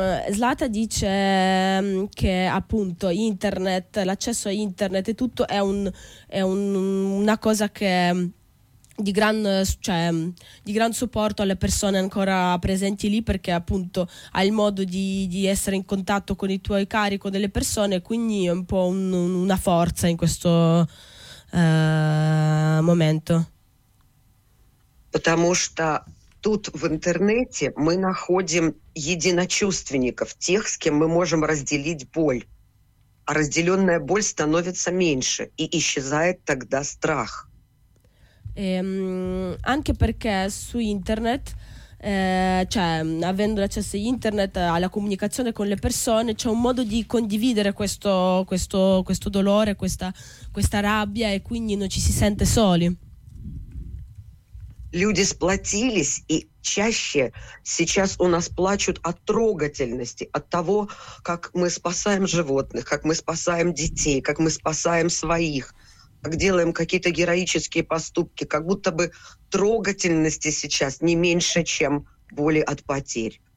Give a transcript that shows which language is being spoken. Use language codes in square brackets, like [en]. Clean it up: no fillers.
[it] Злата dice che appunto internet, l'accesso a internet e tutto è una cosa che di gran supporto alle persone ancora presenti lì, perché appunto hai il modo di essere in contatto con i tuoi cari, con delle persone, quindi è un po' una forza in questo momento. [ru] Потому что тут в интернете мы находим единочувственников, тех, с кем мы можем разделить боль. А разделенная боль становится меньше, и исчезает тогда страх. [it] Anche perché su internet, avendo l'accesso a internet, alla comunicazione con le persone, c'è un modo di condividere questo dolore, questa rabbia, e quindi non ci si sente soli. [ru] Люди сплотились, и чаще сейчас у нас плачут от трогательности, от того, как мы спасаем животных, как мы спасаем детей, как мы спасаем своих, как делаем какие-то героические поступки. Как будто бы трогательности сейчас не меньше, чем боли от потерь.